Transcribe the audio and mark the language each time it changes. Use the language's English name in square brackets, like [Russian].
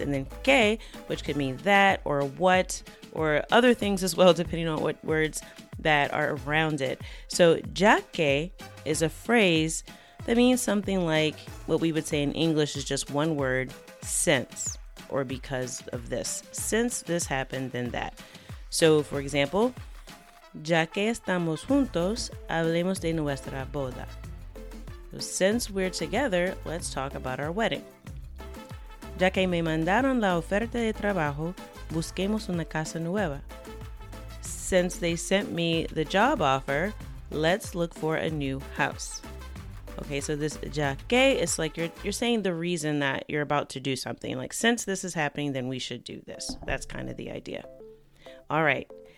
[English] And then que, which could mean that or what or other things as well, depending on what words that are around it. So ya que is a phrase that means something like what we would say in English is just one word, since, or because of this. Since this happened, then that. So for example, [Spanish] ya que estamos juntos, hablemos de nuestra boda. [English] So since we're together, let's talk about our wedding. [Spanish] Ya que me mandaron la oferta de trabajo, busquemos una casa nueva. [English] Since they sent me the job offer, let's look for a new house. Okay, so this ya que is like you're saying the reason that you're about to do something. Like, since this is happening, then we should do this. That's kind of the idea. All right.